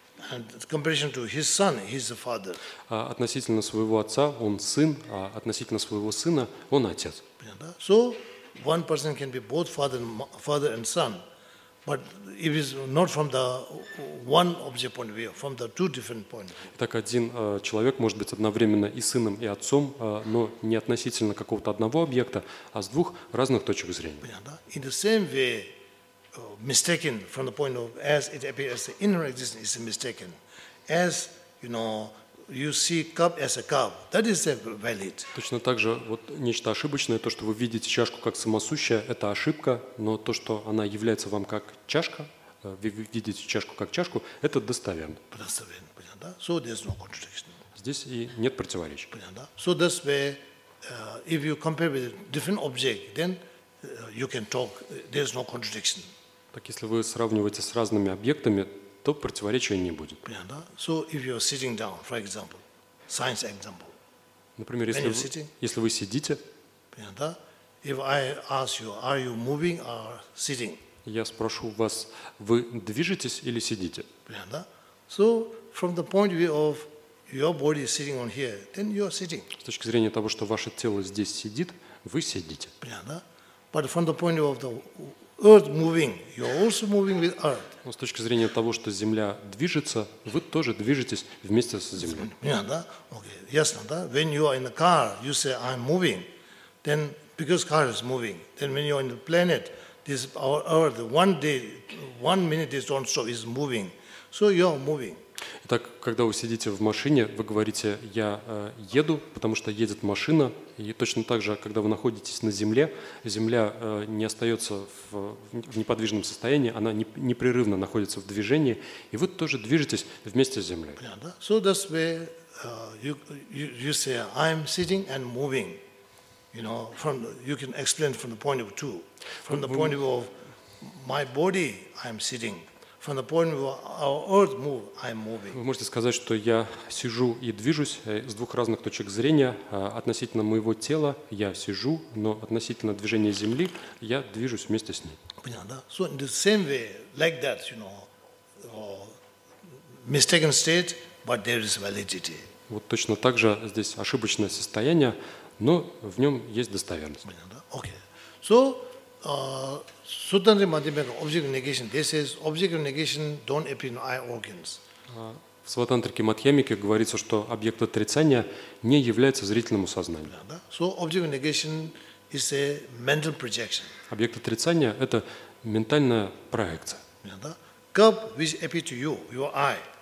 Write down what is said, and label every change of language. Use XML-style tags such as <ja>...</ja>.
<en>And comparison to his son, he's a father.</en> <ru>Относительно своего отца, он сын, а относительно своего сына, он отец.</ru> <en>So, one person can be both father and son. But it is not from the one object point of view, from the two different point of view.</en> <ru>Так один человек может быть одновременно и сыном, и отцом, но не относительно какого-то одного объекта, а с двух разных точек зрения.</ru> <en>In the same way, mistaken from the point of as it appears as the inner existence is mistaken, as you know. You see cup as a cup. That is valid.</en> <ru>Точно так же вот нечто ошибочное, то, что вы видите чашку как самосущее, это ошибка, но то, что она является вам как чашка, вы видите чашку как чашку, это достоверно. Достоверно, понятно, да?</ru> <en>So there's no contradiction.</en> <ru>Здесь и нет противоречия. Понятно, да?</ru> <en>So that's where, if you compare with different object, then you can talk, there's no contradiction.</en> <ru>Так если вы сравниваете с разными объектами, то противоречия не будет.</ru> <en>Yeah, да? So if you're sitting down, for example, science example.</en> <ru>Например, если вы,</ru> <en>sitting,</en> <ru>если вы сидите. Yeah, да?</ru> <en>If I ask you, are you moving or sitting?</en> <ru>Я спрошу вас, вы движетесь или сидите? Yeah, да?</ru> <en>So from the point of view of your body sitting on here, then you are sitting.</en> <ru>С точки зрения того, что ваше тело здесь сидит, вы сидите. Yeah, да?</ru> <en>But from the point of view of the Earth moving. You're also moving with Earth.</en> <ru>Но с точки зрения того, что Земля движется, вы тоже движетесь вместе с Землей. Yeah, да? Okay. Ясно, да?</ru> <en>When you are in a car, you say I'm moving. Then because car is moving. Then when you are in the planet, this our Earth, one day, one minute, this don't stop, is moving. So you are moving.</en> <ru>так, когда вы сидите в машине, вы говорите, я еду, потому что едет машина. И точно так же, когда вы находитесь на земле, земля не остается в неподвижном состоянии, она непрерывно находится в движении, и вы тоже движетесь вместе с землей.</ru> <en>Yeah, so that's where you say, I'm sitting and moving. You know, from the, you can explain from the point of two, from the point of my body, I'm sitting. From the point of our earth move, I'm moving.</en> <ru>Вы можете сказать, что я сижу и движусь с двух разных точек зрения относительно моего тела. Я сижу, но относительно движения Земли я движусь вместе с ней. Понятно.</ru> <en>So in the same way, like that, you know, mistaken state, but there is validity.</en> <ru>Вот точно так же здесь ошибочное состояние. Но в нем есть достоверность. Okay.</ru> <en>So, Suttantri Madhyamaka, object negation, this is object negation don't appear in eye organs.</en> <ru>В Сватантрике Мадхьямике говорится, что объект отрицания не является зрительным сознанием.</ru> <en>So, object negation is a mental projection.</en> <ru>Объект отрицания – это ментальная проекция.</ru> <en>Cup which appears to you, your eye.</en>